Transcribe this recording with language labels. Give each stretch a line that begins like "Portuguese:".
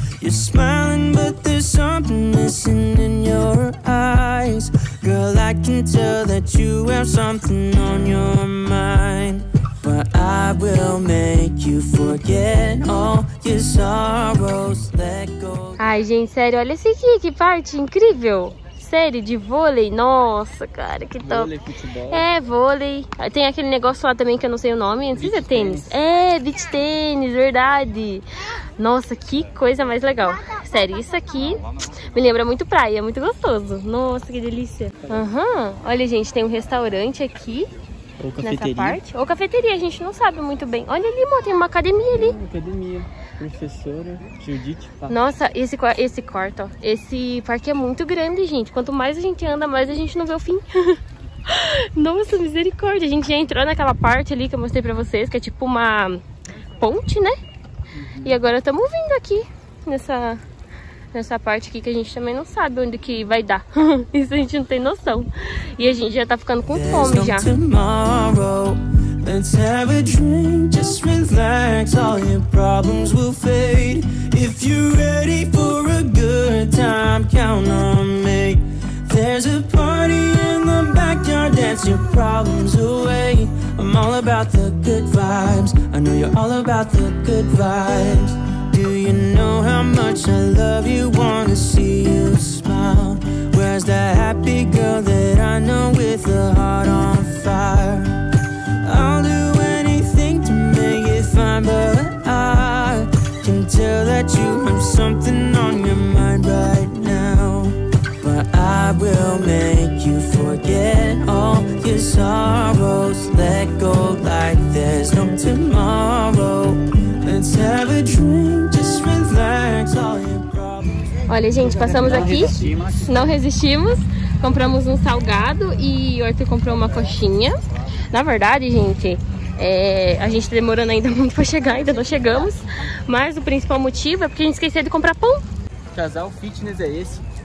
English: You're smiling, but there's something missing in your eyes. Girl, I can tell that you have something on your mind. But I will make you forget all your sorrows. Let go.
Portuguese: Ai, gente, sério, olha esse aqui, que parte incrível! Série de vôlei, nossa, cara, que top. Vôlei, futebol. É, vôlei. Tem aquele negócio lá também que eu não sei o nome. Não sei se é tênis. É, beach tênis, verdade. Nossa, que coisa mais legal. Sério, isso aqui me lembra muito praia, muito gostoso. Nossa, que delícia. Uhum. Olha, gente, tem um restaurante aqui. Ou cafeteria. Nessa parte. Ou cafeteria, a gente não sabe muito bem. Olha ali, amor, tem uma academia ali. Academia. Professora Judite. Nossa, esse quarto, ó. Esse parque é muito grande, gente. Quanto mais a gente anda, mais a gente não vê o fim. Nossa, misericórdia. A gente já entrou naquela parte ali que eu mostrei pra vocês, que é tipo uma ponte, né? Uhum. E agora estamos vindo aqui nessa parte aqui que a gente também não sabe onde que vai dar. Isso a gente não tem noção. E a gente já tá ficando com fome já.
English: Let's have a drink, just relax, all your problems will fade. If you're ready for a good time, count on me. There's a party in the backyard, dance your problems away. I'm all about the good vibes, I know you're all about the good vibes. Do you know how much I love you, wanna see you smile? Where's that happy girl that I know with a heart on fire? I'll do anything to make it fine, but I can tell that you have something on your mind right now. But I will make you forget all your sorrows. Let go like there's no tomorrow. Let's have a drink, just relax all your problems.
Portuguese: Olha, gente, passamos aqui. Não resistimos. Compramos um salgado e o Arthur comprou uma coxinha. Na verdade, gente, a gente tá demorando ainda muito pra chegar, ainda não chegamos. Mas o principal motivo é porque a gente esqueceu de comprar pão. Casal fitness é esse.